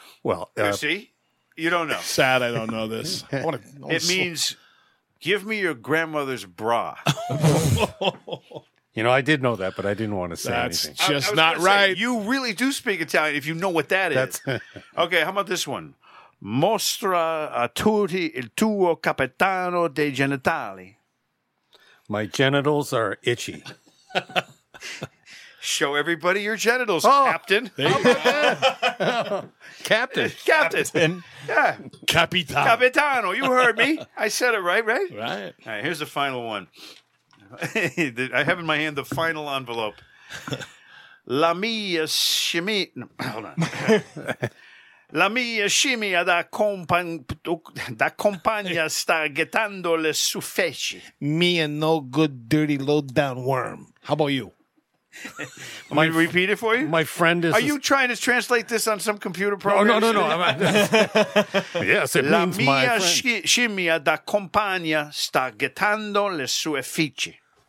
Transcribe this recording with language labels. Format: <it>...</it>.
<en>Well, you see? You don't know. Sad I don't know this. Means, give me your grandmother's bra. You know, I did know that, but I didn't want to say that's anything. That's just not right. Say, you really do speak Italian if you know what that is. Okay, how about this one?</en> <it>Mostra a tutti il tuo capitano dei genitali.</it> <en>My genitals are itchy. Show everybody your genitals, Captain. Captain. Captain. Yeah.</en> <it>Capitano.</it> <en>Capitano. You heard me. I said it right, right? Right. All right, here's the final one. I have in my hand the final envelope.</en> <it>La mia scimmia.</it> <en>Hold on.</en> <it>La mia scimmia da compagna sta gettando le sue feci.</it> <en>Me and no good dirty low down worm. How about you? Am I repeat it for you? My friend is. Are you trying to translate this on some computer program? No. Yes, it</en> <it>La</it> <en>means</en> <it>mia scimmia da compagna sta gettando le sue feci.</it>